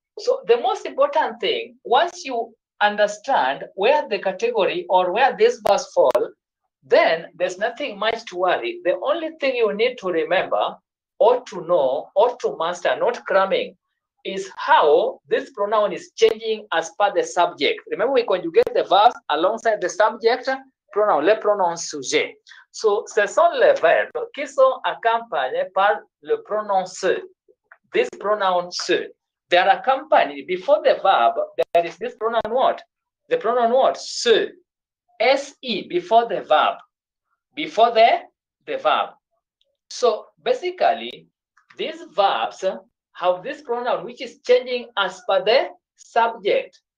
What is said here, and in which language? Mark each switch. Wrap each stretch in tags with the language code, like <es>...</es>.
<en>So the most important thing, once you understand where the category or where this verb fall, then there's nothing much to worry. The only thing you need to remember or to know or to master, not cramming, is how this pronoun is changing as per the subject. Remember, we conjugate the verb alongside the subject pronoun, le pronoun sujet.</en> <fr>So, ce sont les verbes qui sont accompagnés par le pronoun se.</fr> <en>This pronoun se. They are accompanied before the verb, there is this pronoun what? The pronoun what? Se. S-E before the verb. Before the verb. So, basically, these verbs have this pronoun which is changing as per the subject.</en>